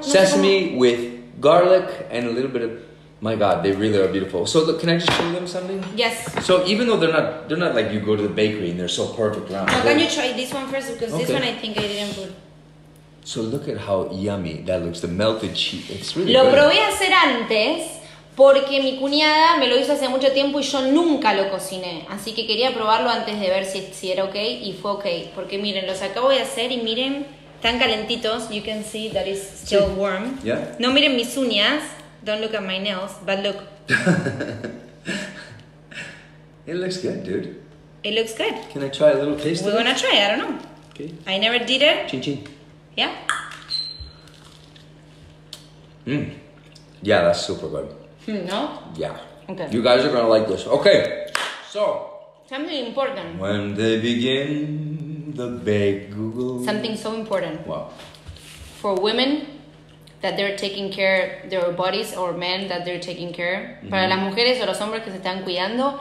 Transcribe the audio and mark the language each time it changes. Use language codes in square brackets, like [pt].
[en] Sesame with garlic and a little bit of, my God, they really are beautiful. So look, can I just show them something? Yes. So even though they're not like you go to the bakery and they're so perfect round. Can you try this one first? Because okay. This one I think I didn't put. So look at how yummy that looks. The melted cheese. It's really [es] lo [en] good. [es] Probé a hacer antes. Porque mi cuñada me lo hizo hace mucho tiempo y yo nunca lo cociné. Así que quería probarlo antes de ver si era ok. Y fue ok. Porque miren, los acabo de hacer y miren, están calentitos. [en] You can see that it's still [es] sí. [en] Warm. Yeah. [es] No miren mis uñas. [en] Don't look at my nails, but look. It looks good, dude. It looks good. Can I try a little taste of it? We're gonna try, I don't know. Okay. I never did it. Chin chin. Yeah. Mmm. Yeah, that's super good. No? Yeah. Okay. You guys are gonna like this. Okay. So. Something important. When they begin the bagel. Something so important. Wow. For women that they're taking care of their bodies or men that they're taking care. Mm-hmm. [es] Para las mujeres o los hombres que se están cuidando.